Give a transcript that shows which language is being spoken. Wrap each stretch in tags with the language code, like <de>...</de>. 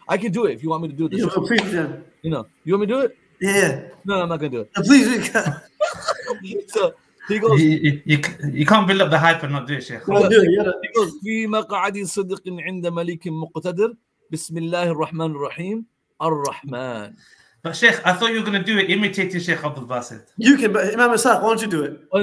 <en>I can do it if you want me to do this. Yeah, please, yeah. You know, you want me to do it? Yeah. No, I'm not gonna do it. Please, we can. So he goes. You can't build up the hype and not do it, Sheikh. He goes.</en> <ar>في مقعد صدق عند ملك مقتدر بسم الله الرحمن الرحيم الرحمن.</ar> <en>But Sheikh, I thought you were gonna do it imitating Sheikh Abdul Basit. You can, but Imam Ishaaq, why don't you do it?</en>